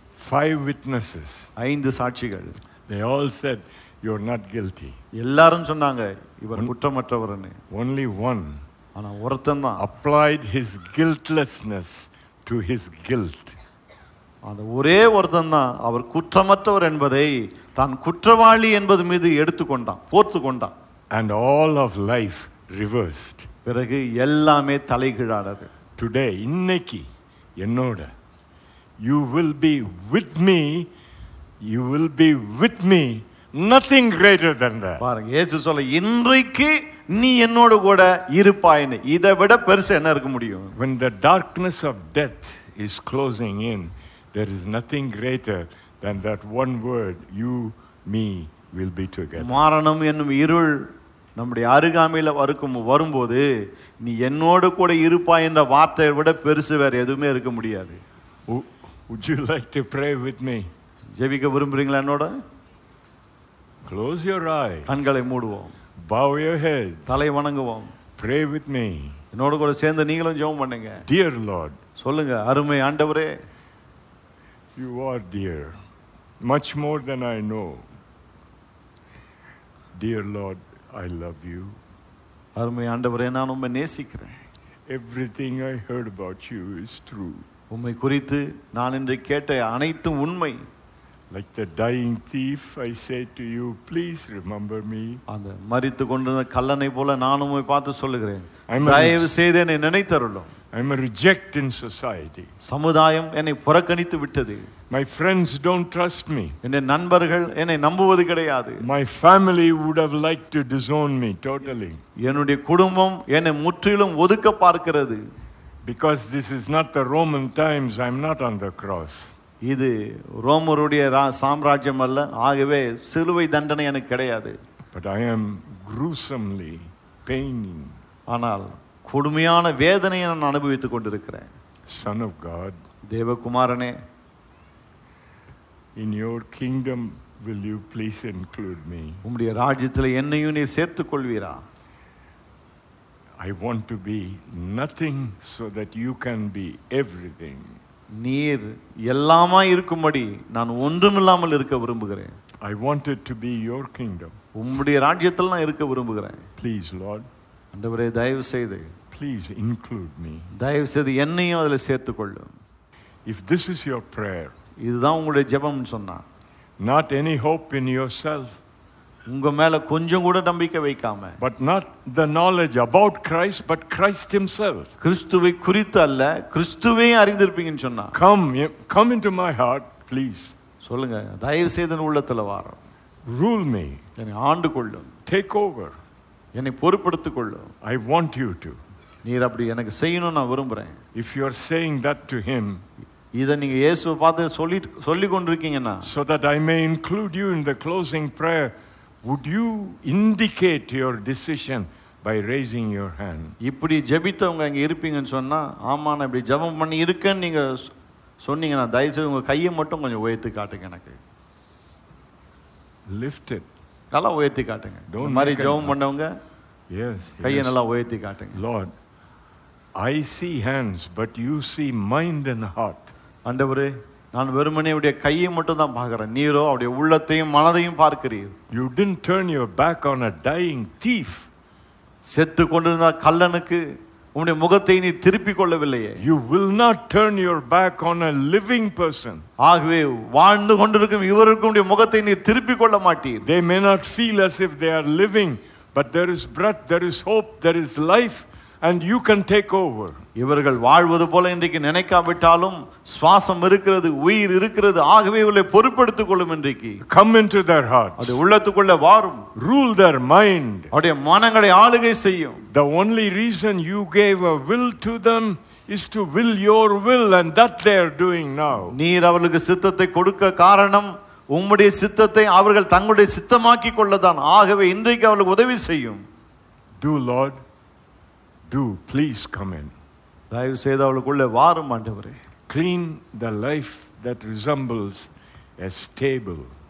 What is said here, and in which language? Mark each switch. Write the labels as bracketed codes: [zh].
[en] Five witnesses. [ta] ஐந்து சாட்சிகள். [en] They all said you are not guilty. [ta] எல்லாரும் சொன்னாங்க இவர் குற்றமற்றவர்னு. [en] Only one. [ta] ஆனா ஒருத்தன் தான் [en] applied his guiltlessness to his guilt. [ta] அந்த ஒரே ஒருத்தன் தான் அவர் குற்றமற்றவர் என்பதை தான் குற்றவாளி என்பது மீது எடுத்துக்கொண்டான், போர்த்து கொண்டான். [en] And all of life reversed. [ta] பிறகு எல்லாமே தலைகீழானது. [en] Today, [ta] இன்னைக்கு என்னோட. [en] You will be with me. You will be with me. Nothing greater than that. [ta] பாருங்க, இயேசு சொல்ல, இன்றைக்கு நீ என்னோடு கூட இருப்பாயின். இதை விட பெருசு என்ன இருக்க முடியும்? [en] When the darkness of death is closing in, there is nothing greater then that one word, you, me, will be together. [ta] மரணம் என்னும் இருள் நம்முடைய அருகாமையில் வருக்கும் வரும்போது நீ என்னோடு கூட இருப்பாய் என்ற வார்த்தையை விட பெருசு வேறு எதுவுமே இருக்க முடியாது. [en] Would you like to pray with me? [ta] ஜெபிக்க விரும்புறீங்களா என்னோட? [en] Close your eyes. [ta] கண்களை மூடுவோம். [en] Bow your head. [ta] தலை வணங்குவோம். [en] Pray with me. [ta] என்னோடு கூட சேர்ந்து நீங்களும் ஜெபம் பண்ணுங்க. [en] Dear Lord. [ta] சொல்லுங்க அருமை ஆண்டவரே. [en] You are dear. Much more than I know. Dear Lord, I love you. [ta] அருமை ஆண்டவரே நான் உம்மை நேசிக்கிறேன். [en] Everything I heard about you is true. [ta] உம்மை குறித்து நான் இன்று கேட்ட அனைத்து உண்மை. [en] Like the dying thief, I say to you, please remember me. [ta] அந்த மரித்து கொண்டிருந்த கள்ளனை போல நான் உம்மை பார்த்து சொல்கிறேன். தயவு செய்து என்னை நினைத்தருளும். [en] I'm a reject in society. [ta] சமுதாயம் என்னை புறக்கணித்து விட்டது. [en] My friends don't trust me. [ta] என் நண்பர்கள் என்னை நம்புவது கிடையாது. [en] My family would have liked to disown me totally. [ta] என்னுடைய குடும்பம் என்னை முற்றிலும் ஒதுக்க பார்க்கிறது. [en] Because this is not the Roman times, I'm not on the cross. [ta] இது ரோமருடைய சாம்ராஜ்யம் அல்ல, ஆகவே சிலுவை தண்டனை எனக்கு கிடையாது. [en] But I am gruesomely paining. [ta] ஆனால் கொடுமையான வேதனையை நான் அனுபவித்துக் கொண்டிருக்கிறேன். [en] Son of God, [ta] தேவகுமாரனே, [en] in your kingdom will you please include me? [ta] உம்முடைய ராஜ்யத்தில் என்னையும் நீர் சேர்த்துக் கொள்வீரா? [en] I want to be nothing so that you can be everything. [ta] நீர் எல்லாமா இருக்கும்படி நான் ஒன்றுமில்லாமல் இருக்க விரும்புகிறேன். [en] I want it to be your kingdom. [ta] உம்முடைய ராஜ்யத்தில் நான் இருக்க விரும்புகிறேன். [en] Please Lord, [ta] ஆண்டவரே தயவு செய்து, [en] please include me. [ta] தயவு செய்து என்னையும் அதில் சேர்த்துக் கொள்ளும். [en] If this is your prayer, [ta] இதுதான் உங்களுடைய ஜெபம் சொன்னா, [en] not any hope in yourself, [ta] உங்க மேல கொஞ்சம் கூட நம்பிக்கை வைக்காம, [en] but not the knowledge about Christ but Christ himself, [ta] கிறிஸ்துவை குறித்து அல்ல கிறிஸ்துவே அறிந்திருப்பீங்கன்னு சொன்னா, [en] come into my heart please. [ta] சொல்லுங்க தயவு செய்து உள்ளத்துல வாரம். [en] Rule me, [ta] என்னை ஆண்டு கொள்ளும். [en] Take over, [ta] என்னை பொறுப்படுத்திக் கொள்ளும். [en] I want you to. [ta] நீர் அப்படி எனக்கு செய்யணும் நான் விரும்புறேன். [en] If you are saying that to him, [ta] இதை நீங்க இயேசுவை பார்த்து சொல்லி கொண்டிருக்கீங்கனா, [en] so that I may include you in the closing prayer, would you indicate your decision by raising your hand? [ta] இப்படி ஜெபித்தவங்க அங்க இருப்பீங்கன்னு சொன்னா, ஆமா நான் இப்படி ஜெபம் பண்ணி இருக்கேன்னு நீங்க சொன்னீங்கனா, தயவு செய்து உங்க கையை மட்டும் கொஞ்சம் உயர்த்தி காட்டுங்க எனக்கு. [en] Lift it. [ta] நல்லா உயர்த்தி காட்டுங்க. [en] Don't worry, [ta] ஜெபம் பண்ணவங்க [en] yes, [ta] கையை [en] yes. [ta] நல்லா உயர்த்தி காட்டுங்க. [en] Lord, I see hands, but you see mind and heart. [ta] ஆண்டவரே, நான் வெறுமனே உடைய கையை மட்டும் தான் பார்க்கிறேன், நீரோ அவருடைய உள்ளத்தையும் மனதையும் பார்க்கிறீர். [en] You didn't turn your back on a dying thief. [ta] செத்து கொண்டிருந்த கள்ளனுக்கு உம்முடைய முகத்தை நீ திருப்பிக் கொள்ளவில்லையே. [en] You will not turn your back on a living person. [ta] ஆகவே வாழ்ந்து கொண்டிருக்கும் இவருக்கும் உம்முடைய முகத்தை நீ திருப்பிக் கொள்ள மாட்டீர். [en] They may not feel as if they are living, but there is breath, there is hope, there is life, and you can take over. [ta] இவர்கள் வாழ்வது போல இன்றைக்கு நினைக்காவிட்டாலும் சுவாசம் இருக்கிறது, உயிர் இருக்கிறது. ஆகவே இவர்களை பொறுப்படுத்திக் கொள்ளும் இன்றைக்கு. [en] Come into their hearts. [ta] அவருடைய உள்ளத்துக்குள்ள வாரும். [en] Rule their mind. [ta] அவருடைய மனங்களை ஆளுகை செய்யும். [en] The only reason you gave a will to them is to will your will, and that they are doing now. [ta] நீர் அவர்களுக்கு சித்தத்தை கொடுக்க காரணம் உம்முடைய சித்தத்தை அவர்கள் தங்களுடைய சித்தமாக்கிக் கொள்ளத்தான். ஆகவே இன்றைக்கு அவர்களுக்கு உதவி செய்யும். [en] Do Lord. Do please come in. [ta] தயவு செய்து அவளுக்குள்ளே வாரும் ஆண்டவரே. [en] Clean the life that resembles a stable.